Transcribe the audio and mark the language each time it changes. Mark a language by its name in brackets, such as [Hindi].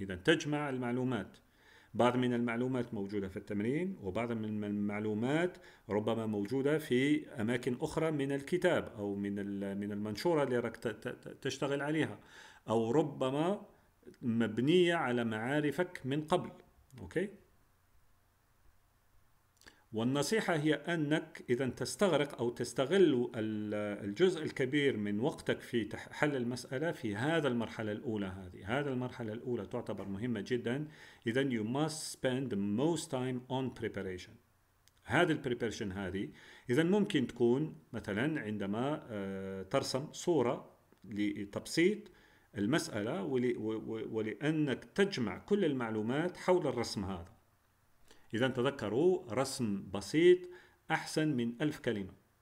[Arabic] إذن تجمع المعلومات. بعض من المعلومات موجودة في التمرين، وبعض من المعلومات ربما موجودة في أماكن أخرى من الكتاب أو من المنشورة اللي راك تشتغل عليها، أو ربما مبنية على معارفك من قبل. أوكي، والنصيحة هي أنك إذا تستغرق أو تستغل الجزء الكبير من وقتك في حل المسألة في هذا المرحلة الأولى هذه. هذا المرحلة الأولى تعتبر مهمة جدا. إذا [English] you must spend the most time on preparation. [Arabic] هذه preparation هذه إذا ممكن تكون مثلا عندما ترسم صورة لتبسيط المسألة، ولأنك تجمع كل المعلومات حول الرسم هذا. إذا تذكروا، رسم بسيط أحسن من ألف كلمة.